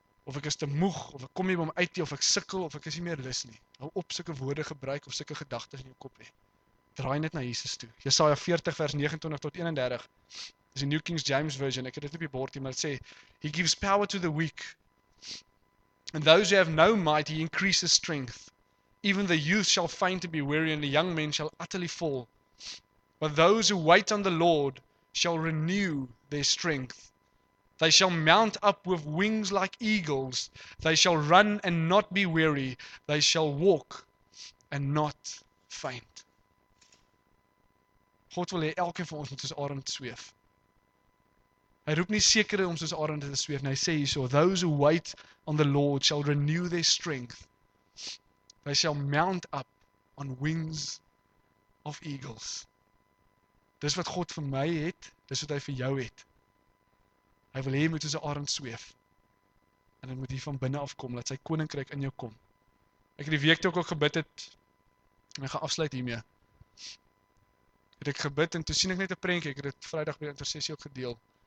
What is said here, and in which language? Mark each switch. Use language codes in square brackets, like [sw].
[af] Of ek is te moeg, of ek kom nie by my uit nie, of ek sukkel, of ek is nie meer lus nie. Hou op sulke woorde gebruik of sulke gedagtes in jou kop hê. Draai net na Jesus toe. Jesaja 40 vers 29 tot 31. Dis die New King James Version. Ek het dit op die bord hier, maar dit sê [en] he gives power to the weak. And those who have no might, he increases strength. Even the youth shall faint to be weary and the young men shall utterly fall. But those who wait on the Lord shall renew their strength. They shall mount up with wings like eagles. They shall run and not be weary. They shall walk and not faint. [af] God wil hê elkeen van ons moet soos arend sweef. Hy roep nie sekere om soos arend te sweef nie. Hy sê hierso, [en] those who wait on the Lord shall renew their strength. They shall mount up on wings of eagles. [af] Dis wat God vir my het, dis wat hy vir jou het. Hy wil hê jy moet soos 'n arend sweef. En dit moet hier van binne af kom, laat sy koninkryk in jou kom. Ek het die week toe ook gebid het, en ek gaan afsluit hiermee. Het ek gebid en toe sien ek net 'n prentjie, ek het dit Vrydag by intersessie ook gedeel.